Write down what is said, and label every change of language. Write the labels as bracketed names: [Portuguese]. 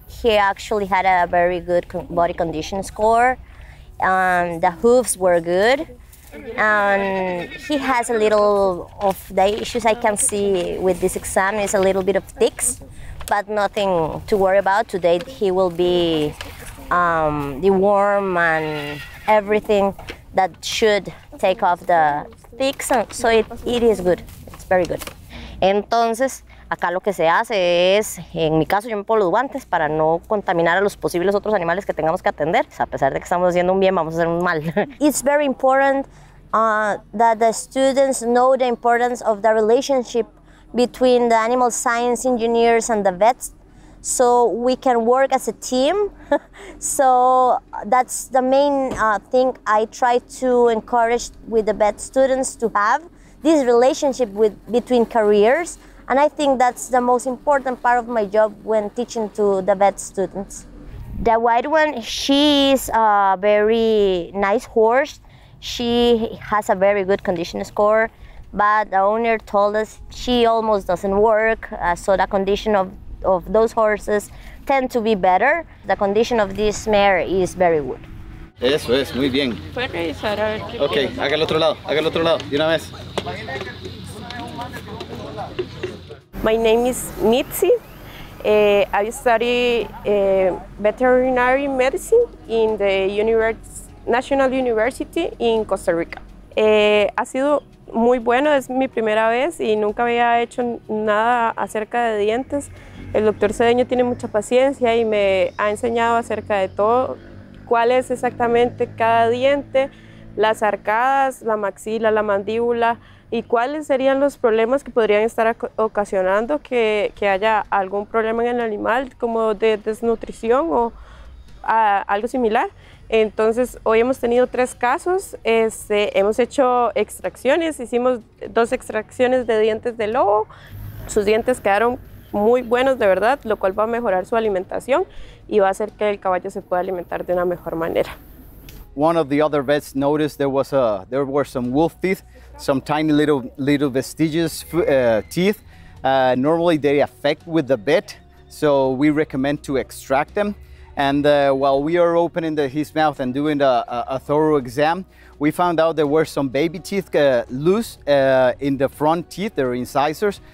[English] He actually had a very good body condition score, and the hooves were good, and he has a little of the issues I can see with this exam is a little bit of ticks, but nothing to worry about. Today he will be the worm and everything that should take off the ticks, so it is good, it's very good. [Spanish] Entonces, acá lo que se hace es, en mi caso yo me pongo los guantes para no contaminar a los posibles otros animales que tengamos que atender. O sea, a pesar de que estamos haciendo un bien, vamos a hacer un mal. [English] It's very important that the students know the importance of the relationship between the animal science engineers and the vets, so we can work as a team. So that's the main thing I try to encourage with the vet students, to have this relationship with between careers. And I think that's the most important part of my job when teaching to the vet students. The white one, she is a very nice horse. She has a very good condition score, but the owner told us she almost doesn't work. So the condition of those horses tend to be better. The condition of this mare is very good. [Spanish] Eso es, muy bien. Puede revisar, a ver. Ok, haga el otro lado, haga el otro lado, de una vez. [English] My name is Mitzi. I study veterinary medicine in the National University in Costa Rica. [Spanish] Ha sido muy bueno, es mi primera vez y nunca había hecho nada acerca de dientes. El doctor Cedeño tiene mucha paciencia y me ha enseñado acerca de todo, cuál es exactamente cada diente, las arcadas, la maxila, la mandíbula y cuáles serían los problemas que podrían estar ocasionando que haya algún problema en el animal, como de desnutrición o algo similar. Entonces, hoy hemos tenido 3 casos, hemos hecho extracciones, hicimos 2 extracciones de dientes de lobo, sus dientes quedaron muy buenos de verdad, lo cual va a mejorar su alimentación y va a hacer que el caballo se pueda alimentar de una mejor manera. [English] One of the other vets noticed there were some wolf teeth, some tiny little vestigious teeth. Normally they affect with the bit, so we recommend to extract them. And while we are opening his mouth and doing a thorough exam, we found out there were some baby teeth loose in the front teeth, their incisors.